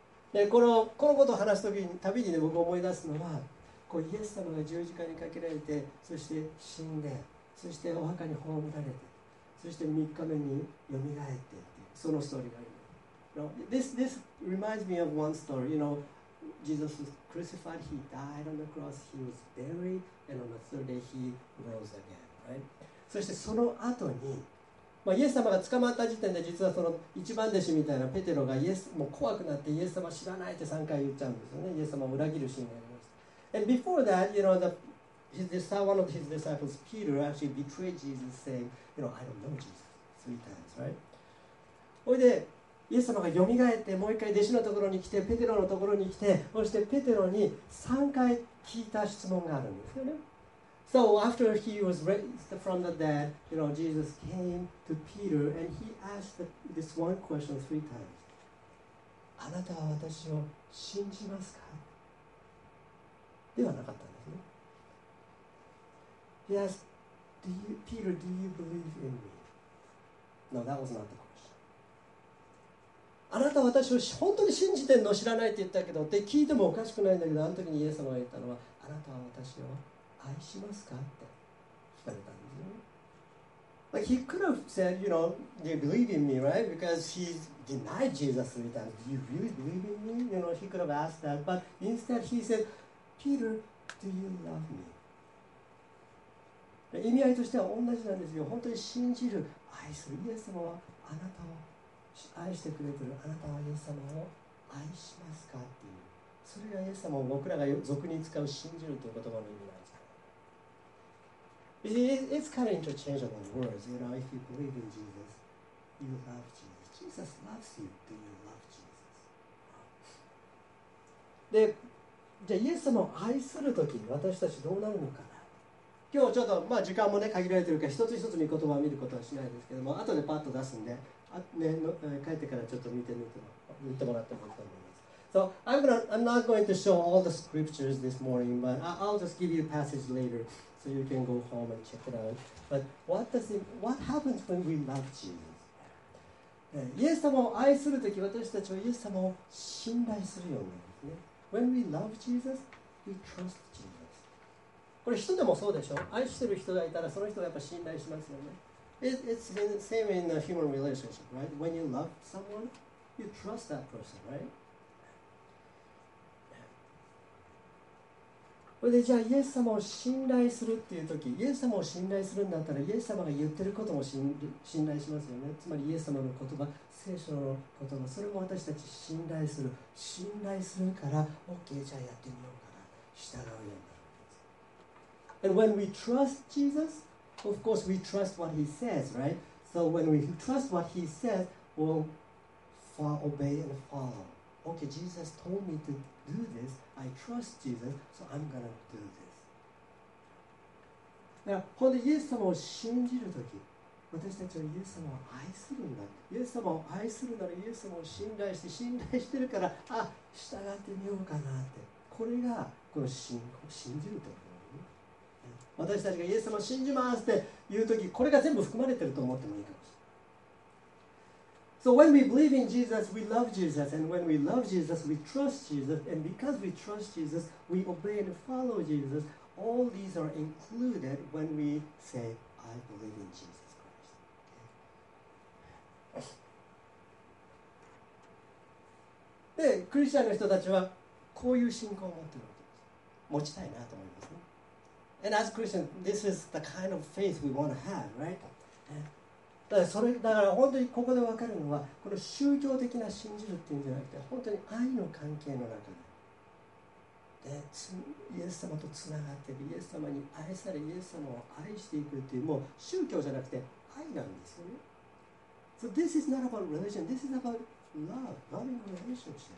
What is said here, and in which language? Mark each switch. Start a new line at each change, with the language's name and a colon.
Japanese: で、このことを話すときに、旅にね、僕思い出すのは、こうイエス様が十字架にかけられて、そして死んで、そしてお墓に葬られて、そして3日目によみがえってっていう、そのストーリーがある。
English: This reminds me of one story. You know, Jesus was crucified, he died on the cross, he was buried, and on the third day he rose again, right?
Japanese: そしてその後に、まあ、イエス様が捕まった時点で、実はその一番弟子みたいなペテロがイエスもう怖くなって、イエス様知らないって3回言っちゃうんですよね。イエス様を裏切るシーンがありました。
English: And before that, you know, one of his disciples, Peter, actually betrayed Jesus, saying, you know, I don't know Jesus, three times, right?
Japanese: それで、イエス様がよみがえって、もう一回弟子のところに来て、ペテロのところに来て、そしてペテロに3回聞いた質問があるんですよね。
English: So after he was raised from the dead, you know, Jesus came to Peter and he asked this one question three times.
Japanese: あなたは私を信じますか?ではなかったんですね。
English: He asked, Peter, do you believe in me? No, that was not the question.
Japanese: あなたは私を本当に信じてんの知らないって言ったけどって聞いてもおかしくないんだけど、あの時にイエス様が言ったのは、あなたは私を愛しますかって聞かれたんですよ。
English: Like, he could have said, you know, do you believe in me, right? Because he denied Jesus three times. Do you really believe in me? You know, he could have asked that. But instead, he said, Peter, do you love me?
Japanese: 意味合いとしては同じなんですよ。本当に信じる、愛する。イエス様はあなたを愛してくれてる。あなたはイエス様を愛しますかっていう。それがイエス様を僕らが俗に使う信じるという言葉の意味なんです。
English: It's kind of interchangeable words. You know, if you believe in Jesus, you love Jesus. Jesus loves you. Do you love Jesus?
Japanese: で、じゃあイエス様を愛するときに私たちどうなるのか。今日ちょっと、まあ、時間も、ね、限られているから一つ一つ見言葉を見ることはしないですけども、後でパッと出すんで、あ、ね、の帰ってからちょっと見てもらってもいいと思います。
English: So I'm not going to show all the scriptures this morning, but I'll just give you a passage later so you can go home and check it out. But what happens when we love Jesus?
Japanese: イエス様を愛するとき、私たちはイエス様を信頼するようになるんですね。
English: When we love Jesus, we trust Jesus.
Japanese: これ人でもそうでしょ。愛してる人がいたらその人がやっぱ信頼しますよね。
English: It's the same in a human relationship, right? When you love someone, you trust that person, right?
Japanese: で、じゃあイエス様を信頼するっていう時、イエス様を信頼するんだったらイエス様が言ってることも信頼しますよね。つまりイエス様の言葉、聖書の言葉、それも私たち信頼する。信頼するから OK、 じゃあやってみようかな、従うよ。
English: And when we trust Jesus, of course we trust what he says, right? So when we trust what he says, we'll obey and follow. Okay, Jesus told me to do this. I trust Jesus, so I'm going to do this.
Japanese: だから、本当にイエス様を信じるとき、私たちはイエス様を愛するんだ。イエス様を愛するならイエス様を信頼して、信頼してるから、あ、従ってみようかなって。これがこの信じるとき。私たちがイエス様を信じますって言うとき、これが全部含まれていると思ってもいいかもしれない。
English: So when we believe in Jesus, we love Jesus. And when we love Jesus, we trust Jesus. And because we trust Jesus, we obey and follow Jesus. All these are included when we say, I believe in Jesus Christ.
Japanese: で、クリスチャンの人たちはこういう信仰を持っているわけです。持ちたいなと思いますね。
English: And as Christian, this is the kind of faith we want to have, right?
Japanese: だから本当にここで分かるのは、この宗教的な信じるっていうんじゃなくて、本当に愛の関係の中で、でイエス様とつながっている、イエス様に愛され、イエス様を愛していくっていう、もう宗教じゃなくて愛なんですよね。
English: So this is not about religion, this is about love, loving relationship.